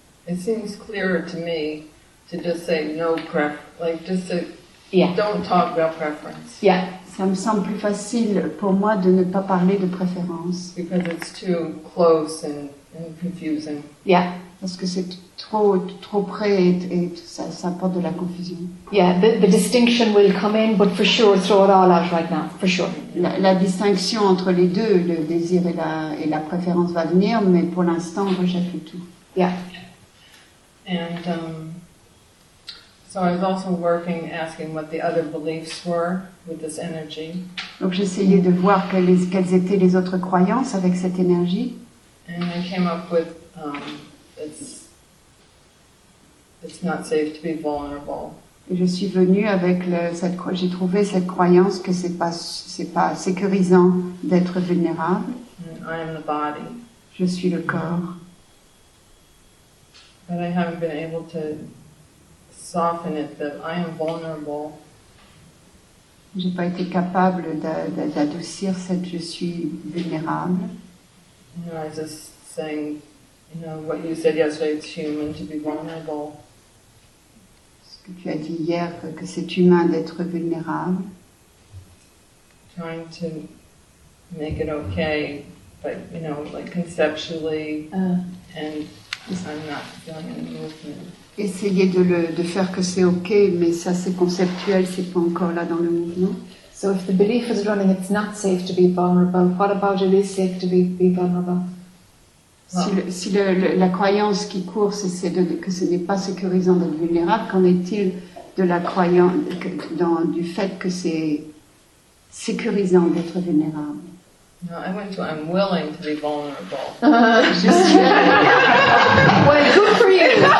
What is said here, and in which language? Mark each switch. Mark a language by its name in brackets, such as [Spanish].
[English] It seems clearer to me to just say no preference, like just to don't talk about preference. Yeah. [French] Ça me semble plus facile pour moi de ne pas parler de préférence. [English] Because it's too close and confusing. Yeah. [French] Parce que c'est trop près et ça apporte de la confusion. [English] Yeah, the distinction will come in, but for sure, throw it all out right now, for sure. [French] La distinction entre les deux, le désir et la préférence va venir, mais pour l'instant, on rejette le tout. [English] Yeah. And so I was also working, asking what the other beliefs were with this energy. [French] Donc j'essayais de voir quelles étaient les autres croyances avec cette énergie. [English] And I came up with it's not safe to be vulnerable. [French] Je suis venue avec j'ai trouvé cette croyance que c'est pas sécurisant d'être vulnérable. [English] I am the body. [French] Je suis le corps. [English] But I haven't been able to soften it that I am vulnerable. [French] J'ai pas été capable d'adoucir cette je suis vulnérable. [English] You know, I was just saying, you know, what you said yesterday, it's human to be vulnerable. [French] Ce que tu as dit hier, que c'est humain d'être vulnérable. [English] Trying to make it okay, but, you know, like conceptually, and I'm not feeling any movement. [French] Essayer de faire que c'est okay, mais ça c'est conceptuel, c'est pas encore là dans le mouvement. [English] So if the belief is running, it's not safe to be vulnerable, what about it is safe to be vulnerable? [French] Si la croyance qui court, c'est que ce n'est pas sécurisant d'être vulnérable, qu'en est-il de la croyance du fait que c'est sécurisant d'être vulnérable? [English] I'm willing to be vulnerable. Well, good for you.